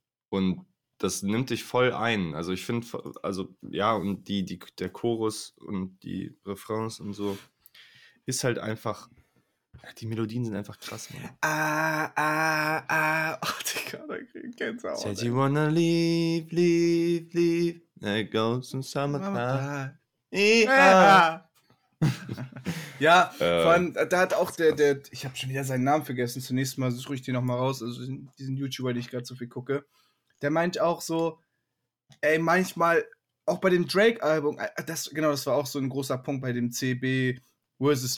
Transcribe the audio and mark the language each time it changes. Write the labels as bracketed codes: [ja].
[de] Und das nimmt dich voll ein. Also ich finde, also ja, und der Chorus und die Refrains und so ist halt einfach, die Melodien sind einfach krass, Mann. Ach, Digga, da kriegst du auch. [en] Said you wanna leave, leave, leave. There goes in summertime. [de] Ja, vor allem, da hat auch der ich habe schon wieder seinen Namen vergessen, zunächst mal suche ich den nochmal raus, also diesen YouTuber, den ich gerade so viel gucke, der meint auch so, ey, manchmal, auch bei dem Drake-Album, das war auch so ein großer Punkt bei dem CB vs.